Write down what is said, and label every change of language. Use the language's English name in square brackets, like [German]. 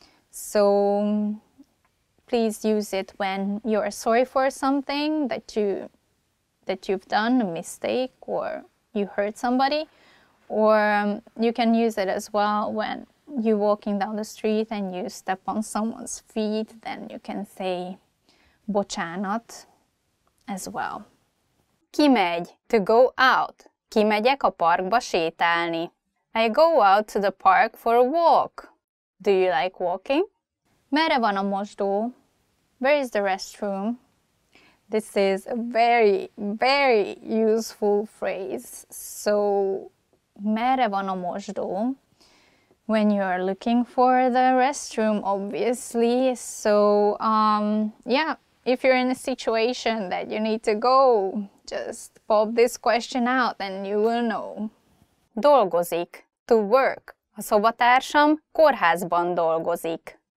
[English] So please use it when you're sorry for something that you've done, a mistake, or you hurt somebody. Or you can use it as well when you're walking down the street and you step on someone's feet, then you can say bocsánat as well. Kimegy, to go out. [Hungarian] Kimegyek a parkba sétálni. [English] I go out to the park for a walk. Do you like walking? [Hungarian] Merre van a mosdó? [English] Where is the restroom? This is a very, very useful phrase. [Hungarian] So, merre van a mosdó? [English] When you are looking for the restroom, obviously. So, if you're in a situation that you need to go, just pop this question out and you will know. Dolgozik, to work. [Hungarian] A szobatársam kórházban dolgozik.